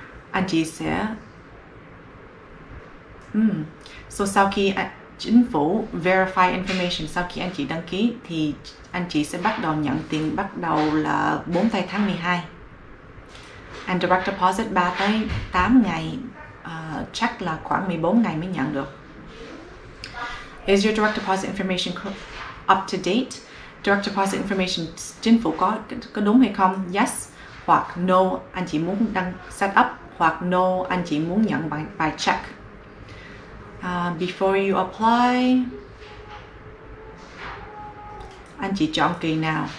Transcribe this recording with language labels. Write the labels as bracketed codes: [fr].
[vi] Anh chị sẽ So sau khi chính phủ verify information, sau khi anh chị đăng ký thì anh chị sẽ bắt đầu nhận tiền, bắt đầu là 4 tới tháng 12. And direct deposit 3 tới 8 ngày, chắc là khoảng 14 ngày mới nhận được. [en] Is your direct deposit information up to date? [vi] Direct deposit information chính phủ có đúng hay không? Yes hoặc no, anh chị muốn đăng set up, hoặc no, anh chị muốn nhận by check. [en] Before you apply, [vi] anh chị chọn kỳ nào?